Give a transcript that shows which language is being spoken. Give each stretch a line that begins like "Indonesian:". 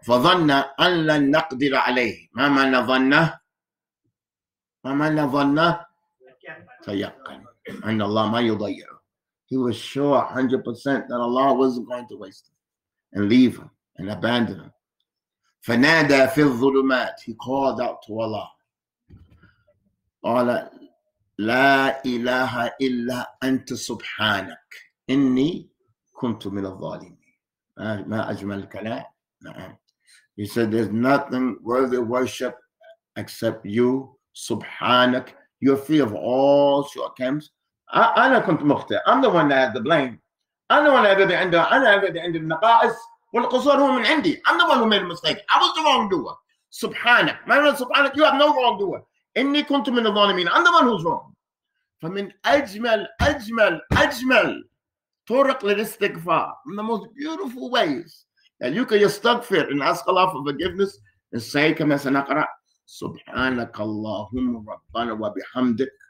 Arabic: فظنّ أن لن نقدر عليه. ما معنى ظنّ؟ تيقن. أن الله ما يضيع.
English: He was sure 100% that Allah wasn't going to waste him and leave him and abandon him.
Arabic: فنادى في الظلمات.
English: He called out to Allah.
Arabic: قال لا إله إلا أنت سبحانك إني كنت من الظالمين. ما أجمل الكلام. نعم.
English: He said there's nothing worthy of worship except you. سبحانك. You're free of all shortcomings.
Arabic: أنا كنت مخطئ.
English: I'm the one that had the blame.
Arabic: أنا وأنا الذي عنده. أنا الذي عندي النقائص. والقصور هو من عندي.
English: I'm the one who made the mistake. I was the wrongdoer. سبحانك.
Arabic: ما يقول سبحانك.
English: You have no wrongdoer.
Arabic: إني كنت من الظالمين.
English: I'm the one who's wrong.
Arabic: فمن أجمل أجمل أجمل طرق للاستغفار.
English: In the most beautiful ways. That you can يستغفر and ask Allah for forgiveness. And say
Arabic: كما سنقرأ. سبحانك اللهم ربنا وبحمدك.